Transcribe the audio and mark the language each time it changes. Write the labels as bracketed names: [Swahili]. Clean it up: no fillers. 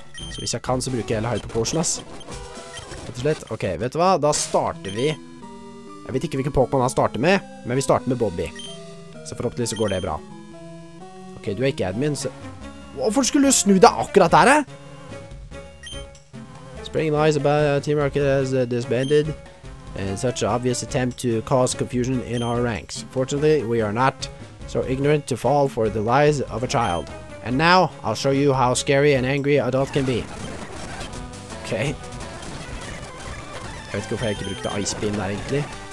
[Norwegian] Så hvis jeg kan, så bruker jeg hele Hyper Potion, ass. Rett og slett. Ok, vet du hva? Da starter vi... Jeg vet ikke hvilken Pokémon han starter med, men vi starter med Bobby. Så forhåpentligvis så går det bra. Ok, du er ikke admin, så... Hvorfor skulle du snu deg akkurat der, jeg? [English] Spreading lies about Team Rocket has disbanded. And such an obvious attempt to cause confusion in our ranks. Fortunately, we are not so ignorant to fall for the lies of a child. And now, I'll show you how scary and angry an adult can be. Okay. [Norwegian] Jeg vet ikke hvorfor jeg ikke brukte Ice Beam der, egentlig.